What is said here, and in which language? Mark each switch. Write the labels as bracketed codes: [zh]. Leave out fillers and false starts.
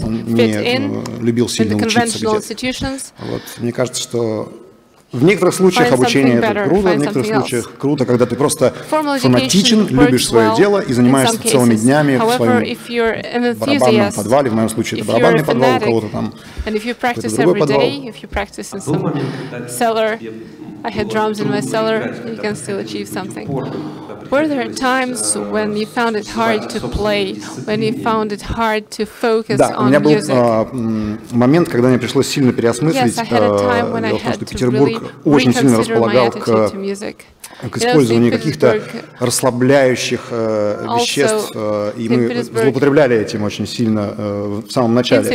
[ru] Он не любил сильно учиться где-то. Вот. Мне кажется, что... В некоторых случаях обучение — это круто, в некоторых случаях круто, когда ты просто фанатичен, любишь свое дело и занимаешься целыми днями в своем барабанном подвале, в моем случае это барабанный подвал у кого-то там, какой-то другой подвал. А был момент, когда тебе [en] I had drums in my cellar, you can still achieve something. Were there times when you found it hard to play, when you found it hard to focus on music? [ru] Да, у меня был момент, когда мне пришлось сильно переосмыслить, дело в том, что Петербург очень сильно располагал к использованию каких-то расслабляющих веществ, и мы злоупотребляли этим очень сильно в самом начале.